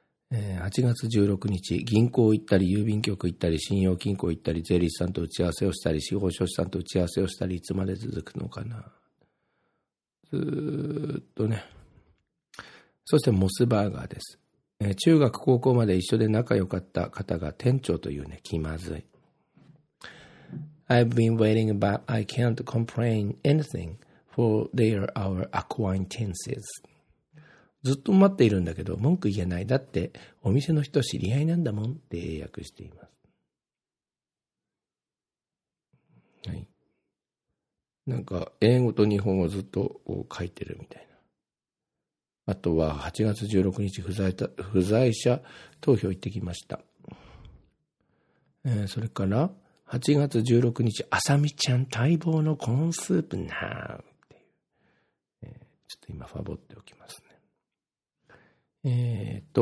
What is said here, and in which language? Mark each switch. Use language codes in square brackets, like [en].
[ja] 8月16日、銀行行ったり、郵便局行ったり、信用金庫行ったり、税理士さんと打ち合わせをしたり、司法書士さんと打ち合わせをしたり、いつまで続くのかな。ずーっとね。そしてモスバーガーです。中学、高校まで一緒で仲良かった方が店長というね、気まずい。 [en] I've been waiting, but I can't complain anything for their our acquaintances. [ja] ずっと待っているんだけど文句言えない、だってお店の人知り合いなんだもんって英訳しています。はい、なんか英語と日本語ずっとこう書いてるみたいな。あとは8月16日不在者投票行ってきました、それから8月16日あさみちゃん待望のコーンスープなーっていう、ちょっと今ファボっておきますね。